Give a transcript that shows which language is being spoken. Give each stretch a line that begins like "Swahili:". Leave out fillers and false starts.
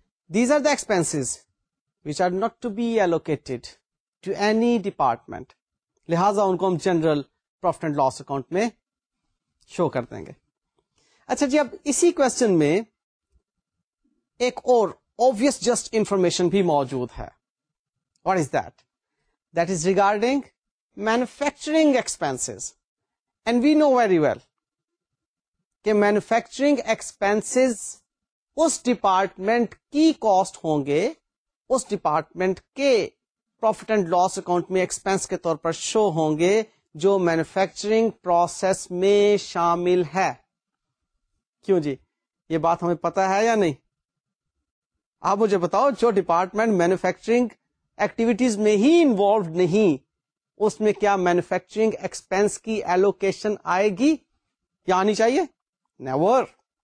English: These are the expenses which are not to be allocated to any department.
Urdu: لہٰذا ان کو ہم general profit and loss account میں شو کر دیں گے. اچھا جی, اب اسی کوشچن میں ایک اور
English: obvious just information
Urdu: بھی موجود ہے.
English: What is that? That is regarding manufacturing expenses. And we know very well کہ manufacturing expenses اس department کی cost ہوں گے اس department کے profit and loss account میں expense کے طور پر show ہوں گے جو manufacturing process میں شامل ہے.
Urdu: کیوں جی, یہ بات ہمیں پتا ہے یا نہیں؟ آپ مجھے بتاؤ, جو department manufacturing activities میں ہی involved نہیں, اس میں کیا manufacturing expense کی allocation آئے گی یا آنی چاہیے؟
English: Never.